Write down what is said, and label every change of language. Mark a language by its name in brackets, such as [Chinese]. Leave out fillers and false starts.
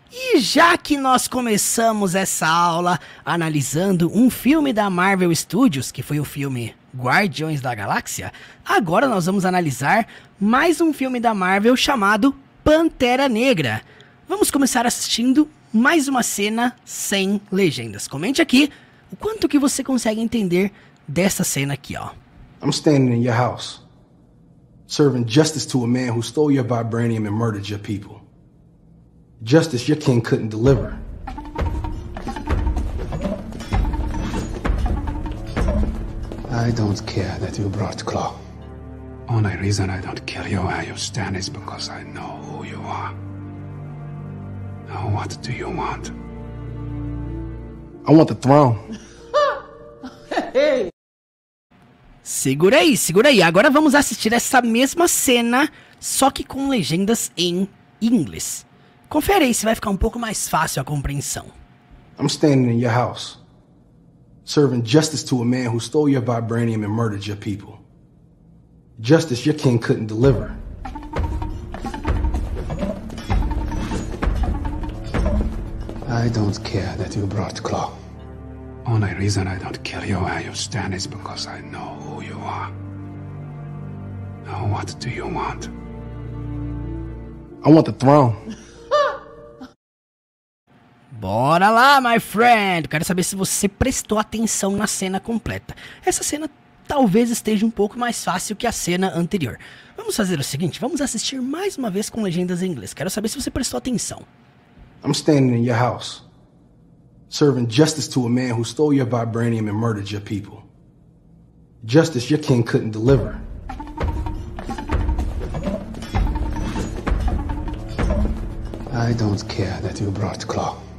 [Portuguese] E já que nós começamos essa aula analisando um filme da Marvel Studios, que foi o filme Guardiões da Galáxia, agora nós vamos analisar mais um filme da Marvel chamado Pantera Negra. Vamos começar assistindo mais uma cena sem legendas. Comente aqui o quanto que você consegue entender dessa cena aqui, ó. [English] I'm standing in your house, serving justice to a man who stole your vibranium and murdered your people. Justice your king couldn't deliver. I don't care that you brought Claw. Only reason I don't kill you where you stand is because I know who you are. Now what do you want? I want the throne. [Portuguese] Hey! Segura aí, segura aí. Agora vamos assistir essa mesma cena, só que com legendas em inglês. Confere aí se vai ficar um pouco mais fácil a compreensão. [English] I'm standing in your house, serving justice to a man who stole your vibranium and murdered your people. Justice your king couldn't deliver. I don't care that you brought Claw. Only reason I don't kill you where you stand is because I know who you are. Now what do you want? I want the throne. [Portuguese] Bora lá, [English] my friend! [Portuguese] Quero saber se você prestou atenção na cena completa. Essa cena talvez esteja um pouco mais fácil que a cena anterior. Vamos fazer o seguinte, vamos assistir mais uma vez com legendas em inglês. Quero saber se você prestou atenção. [English] I'm standing in your house, serving justice to a man who stole your vibranium and murdered your people. Justice your king couldn't deliver. I don't care that you brought Claw.